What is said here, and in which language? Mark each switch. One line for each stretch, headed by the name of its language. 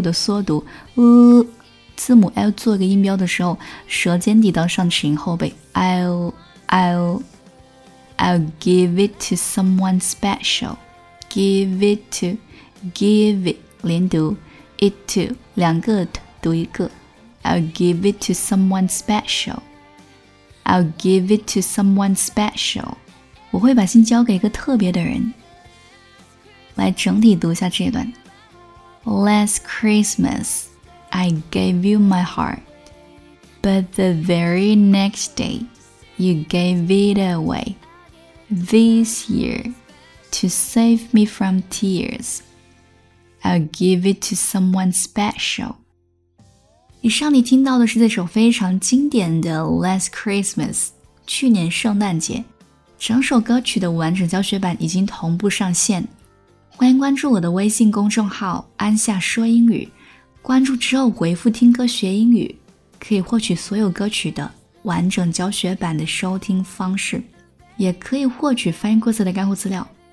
Chinese: 的缩读，字母 L 做一个音标的时候，舌尖抵到上齿龈后背。
English: I'll give it to someone special. Give it
Chinese: 连读 it to 两个 t 读一个。
English: I'll give it to someone special. I'll give it to someone special.
Chinese: 我会把心交给一个特别的人。来整体读一下这一段。
English: Last Christmas, I gave you my heart. But the very next day, you gave it away. This year, to save me from tears, I'll give it to someone special.
Chinese: 以上你听到的是这首非常经典的 Last Christmas, 去年圣诞节。整首歌曲的完整教学版已经同步上线，欢迎关注我的微信公众号安夏说英语，关注之后回复听歌学英语，可以获取所有歌曲的完整教学版的收听方式，也可以获取发音规则的干货资料。